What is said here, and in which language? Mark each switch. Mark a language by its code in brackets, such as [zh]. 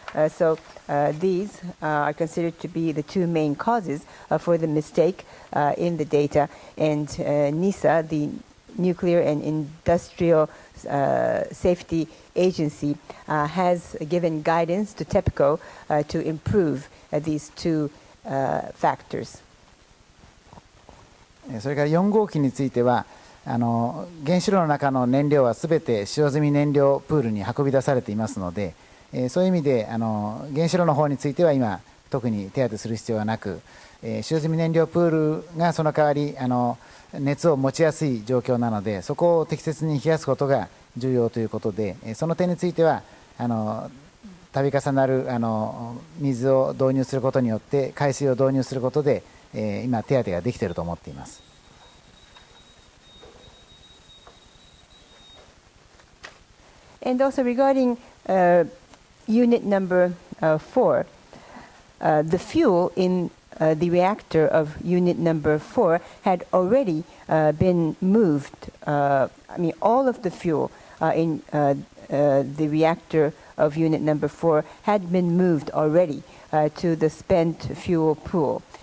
[en] So these are considered to be the two main causes for the mistake in the data. And NISA, the Nuclear and Industrial Safety Agency, has given guidance to TEPCO to improve these two factors. [ja] それから4号機については原子炉の中の燃料はすべて使用済み燃料プールに運び出されていますので、そういう意味で原子炉の方については今特に手当てする必要はなく、使用済み燃料プールがその代わり熱を持ちやすい状況なので、そこを適切に冷やすことが重要ということで、その点については度重なる水を導入することによって、海水を導入することで今手当てができていると思っています。 [en] And also regarding unit number four, the fuel inthe reactor of unit number four had already been moved. All of the fuel the reactor of unit number four had been moved already to the spent fuel pool.